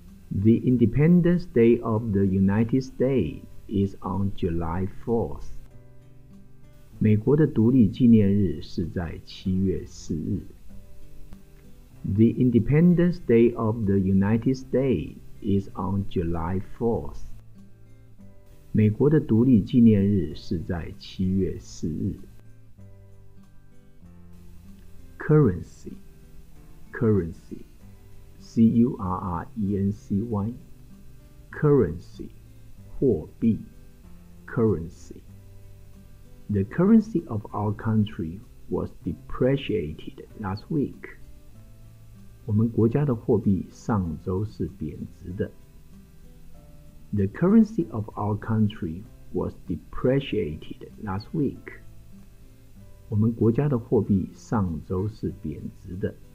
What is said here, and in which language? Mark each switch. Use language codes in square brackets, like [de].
[en] The Independence Day of the United States is on July 4th. [zh] 美国的独立纪念日是在7月4日。 [en] The Independence Day of the United States is on July 4th. [zh] 美国的独立纪念日是在7月4日。 [en] Currency. C-U-R-R-E-N-C-Y Currency [zh] 货币 [en] Currency The currency of our country was depreciated last week. [zh] 我们国家的货币上周是贬值的。 [en] The currency of our country was depreciated last week. [zh] 我们国家的货币上周是贬值的。